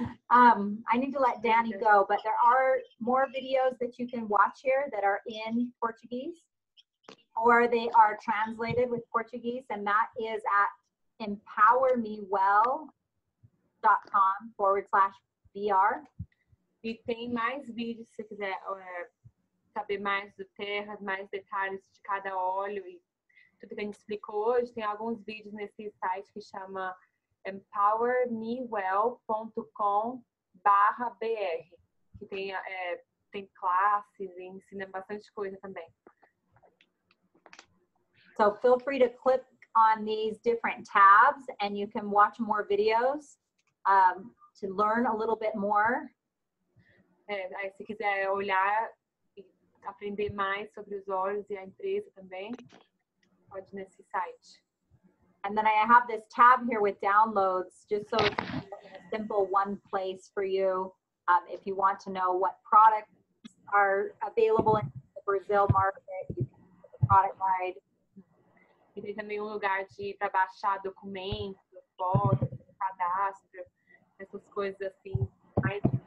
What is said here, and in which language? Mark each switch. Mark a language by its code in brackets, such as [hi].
[en] I need to let Danny go, but there are more videos that you can watch here that are in Portuguese, or they are translated with Portuguese, and that is at empowermewell.com/VR. [pt] E tem mais vídeos se quiser saber mais do terra, mais detalhes de cada óleo e tudo que a gente explicou hoje. Tem alguns vídeos nesse site que chama empowermewell.com/BR, que tem classes e ensina bastante coisa também. [en] So feel free to click on these different tabs and you can watch more videos to learn a little bit more. [pt] É, se quiser olhar e aprender mais sobre os olhos e a empresa também, pode nesse site. [en] And then I have this tab here with downloads, just so it's a simple one place for you. If you want to know what products are available in the Brazil market, you can get the product guide. [pt] E tem também lugar de ir para baixar documentos, fotos, cadastro, essas coisas assim, mais